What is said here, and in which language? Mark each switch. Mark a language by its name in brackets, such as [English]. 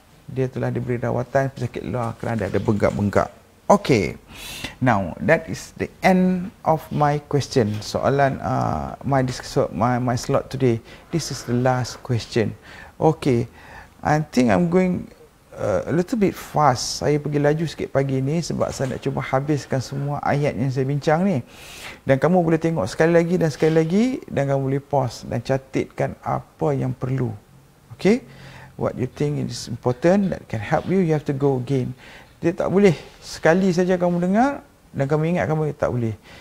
[Malay] Dia telah diberi rawatan penyakit luar kerana ada bengkak-bengkak. [English] Okay, now that is the end of my question. Soalan my slot today. This is the last question. Okay, I think I'm going a little bit fast. [Malay] Saya pergi laju sikit pagi ni sebab saya nak cuba habiskan semua ayat yang saya bincang ni. Dan kamu boleh tengok sekali lagi dan sekali lagi, dan kamu boleh pause dan catatkan apa yang perlu. [English] Okay, what you think is important that can help you, you have to go again. [Malay] Dia tak boleh sekali saja kamu dengar dan kamu ingat, kamu tak boleh.